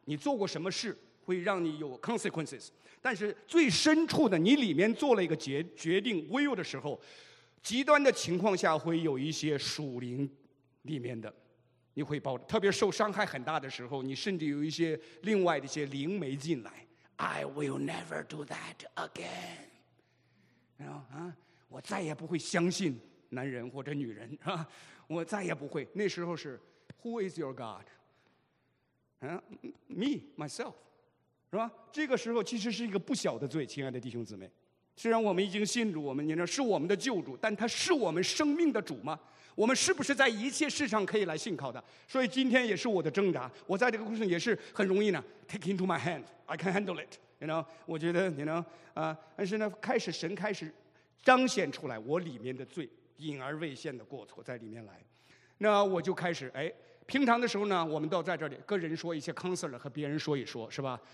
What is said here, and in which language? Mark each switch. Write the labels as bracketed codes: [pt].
[zh] 你做过什么事会让你有 consequences， 但是最深处的你里面做了一个 决定 will 的时候，极端的情况下会有一些属灵里面的，你会抱着，特别受伤害很大的时候，你甚至有一些另外的一些灵媒进来， [en] I will never do that again， [zh] 你知道吗？我再也不会相信男人或者女人，我再也不会。那时候是 [en] Who is your God？ Me, myself， [zh] 是吧？这个时候其实是一个不小的罪，亲爱的弟兄姊妹。虽然我们已经信主，我们你知道是我们的救主，但他是我们生命的主吗？我们是不是在一切事上可以来信靠的？所以今天也是我的挣扎。我在这个故事也是很容易呢 ， [en] take into my hand， I can handle it， you know， [zh] 我觉得你知道啊，但是呢，开始神开始彰显出来我里面的罪，隐而未现的过错在里面来，那我就开始哎，平常的时候呢，我们都在这里跟人说一些 counselor 和别人说一说，是吧？